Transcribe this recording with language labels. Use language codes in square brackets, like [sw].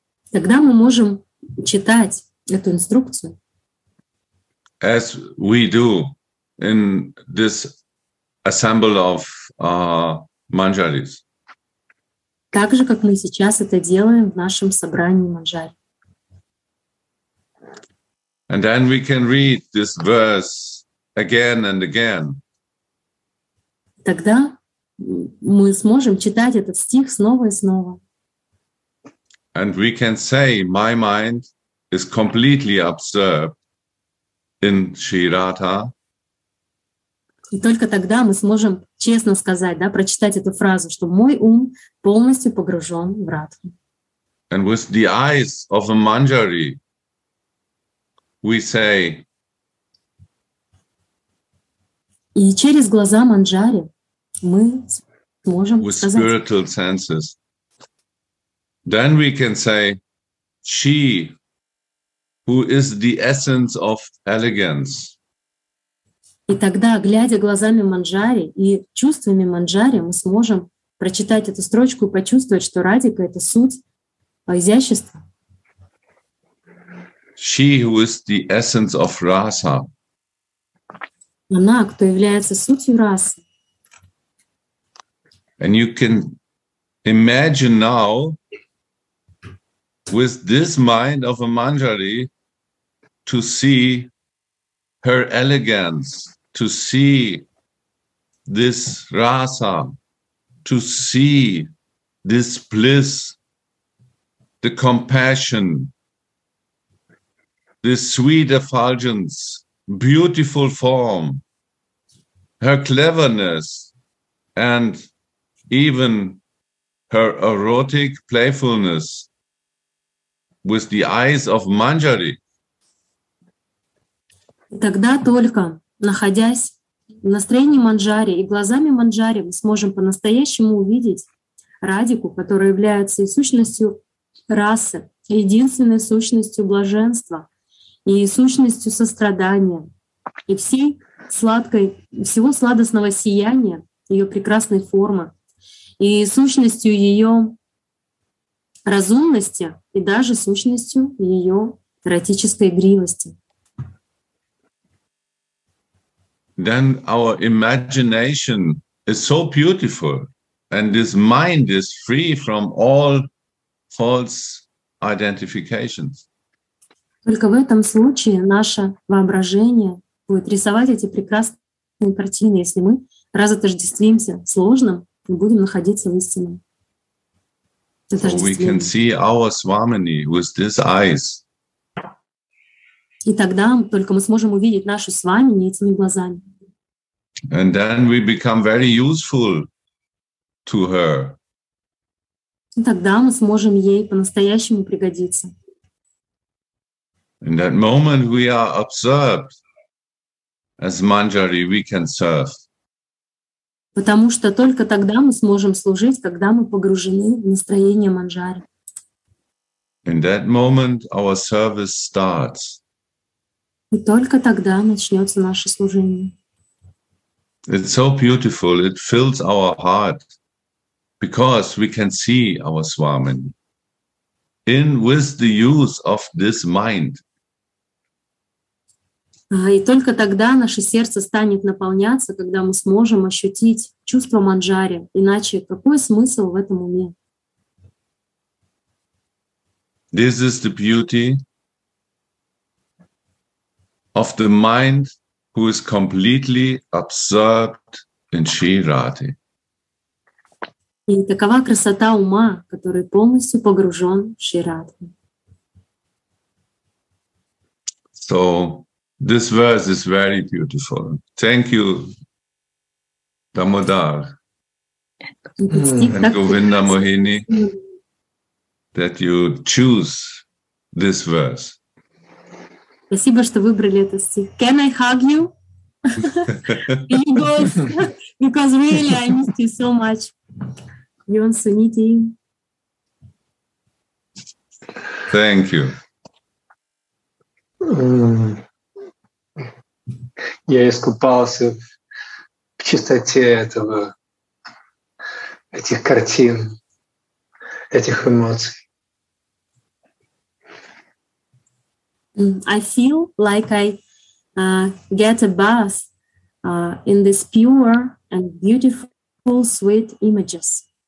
[ru] Тогда мы можем читать эту инструкцию. [en] As we do in this assembly of manjaris. [ru] Так же, как мы сейчас это делаем в нашем собрании манджари. [en] And then we can read this verse again and again. [ru] Тогда мы сможем читать этот стих снова и снова. [en] And we can say, my mind is completely absorbed in Shri Radha. [ru] И только тогда мы сможем честно сказать, да, прочитать эту фразу, что мой ум полностью погружен в Радху. [en] And with the eyes of a manjari, we say. [ru] И через глаза манджари мы сможем [en] with [ru] сказать. [en] With spiritual senses, then we can say, she, who is the essence of elegance. [ru] И тогда, глядя глазами манджари и чувствами манджари, мы сможем прочитать эту строчку и почувствовать, что радика — это суть изящества. [en] She who is the essence of rasa. [ru] Она, кто является сутью расы. [en] And you can imagine now with this mind of a manjari to see her elegance, to see this rasa, to see this bliss, the compassion, this sweet effulgence, beautiful form, her cleverness, and even her erotic playfulness with the eyes of manjari. [ru] Тогда только, находясь в настроении манджари и глазами манджари, мы сможем по-настоящему увидеть радику, которая является и сущностью расы, и единственной сущностью блаженства, и сущностью сострадания, и всей сладкой, всего сладостного сияния ее прекрасной формы, и сущностью ее разумности, и даже сущностью ее эротической игривости. [en] Then our imagination is so beautiful, and this mind is free from all false identifications. [ru] Только в этом случае наше воображение будет рисовать эти прекрасные картины, если мы разотождествимся с ложным и будем находиться в истинном. [en] So we can see our Swamini with these eyes. [ru] И тогда только мы сможем увидеть нашу Свамини этими глазами. [en] And then we become very useful to her. [ru] И тогда мы сможем ей по-настоящему пригодиться. [en] In that moment we are observed as manjari, we can serve. [ru] Потому что только тогда мы сможем служить, когда мы погружены в настроение манджари. [en] In that moment our service starts. [ru] И только тогда начнется наше служение. [en] It's so beautiful, it fills our heart, because we can see our Swamini in with the use of this mind. [ru] И только тогда наше сердце станет наполняться, когда мы сможем ощутить чувство манджари. Иначе какой смысл в этом уме? [en] This is the beauty of the mind who is completely absorbed in Shri Radhe. [ru] И такова красота ума, который полностью погружен в Shri Radhe. [en] So, this verse is very beautiful. Thank you, Damodar and Govinda Mohini, that you choose this verse. [ru] Спасибо, что выбрали этот стих. [en] Can I hug you? You both. Because really, I missed you so much. Yon Suniti. Thank you. [ru] Я искупался в чистоте этого, этих картин, этих эмоций. [en] I feel like I get a bath in this pure and beautiful, sweet images.